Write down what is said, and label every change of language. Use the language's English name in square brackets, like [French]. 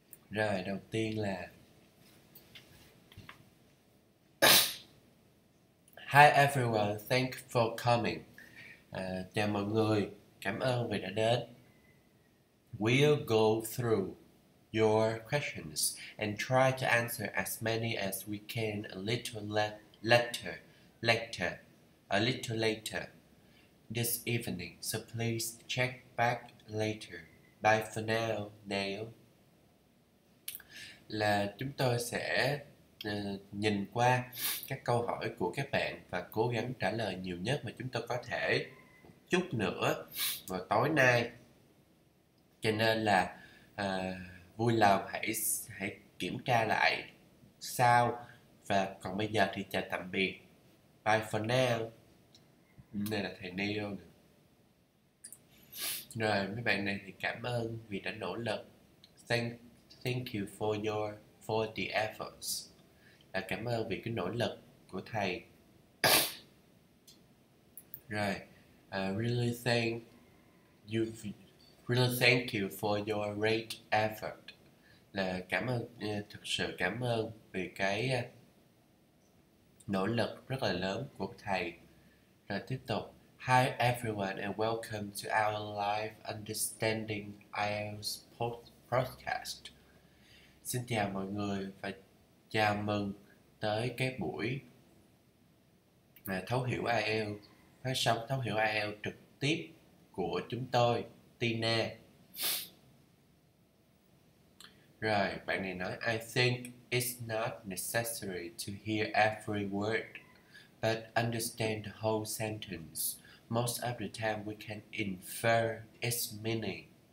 [Vietnamese] Rồi đầu tiên là [English] Hi everyone, thank for coming. [Vietnamese] Chào mọi người, cảm ơn vì đã đến. [English] We'll go through your questions and try to answer as many as we can a little later, a little later this evening. So please check back later. Bye for now, Neil. [Vietnamese] Là chúng tôi sẽ nhìn qua các câu hỏi của các bạn và cố gắng trả lời nhiều nhất mà chúng tôi có thể chút nữa vào tối nay. Cho nên là vui lòng hãy kiểm tra lại sao. Và còn bây giờ thì chào tạm biệt. [English] Bye for now. [Vietnamese] Đây là thầy Neil. Rồi mấy bạn này thì cảm ơn vì đã nỗ lực. [English] Thank you for the efforts. [Vietnamese] Cảm ơn vì cái nỗ lực của thầy. [English] Rồi, really thank you for your great effort. [Vietnamese] Là cảm ơn, thực sự cảm ơn vì cái nỗ lực rất là lớn của thầy. Rồi tiếp tục. [English] Hi everyone and welcome to our live Understanding IELTS podcast. [Vietnamese] Xin chào mọi người và chào mừng tới cái buổi thấu hiểu IELTS, phát sóng thấu hiểu IELTS trực tiếp của chúng tôi, Tina. Rồi, bạn này nói [English] I think it's not necessary to hear every word, but understand the whole sentence. Most of the time we can infer its meaning.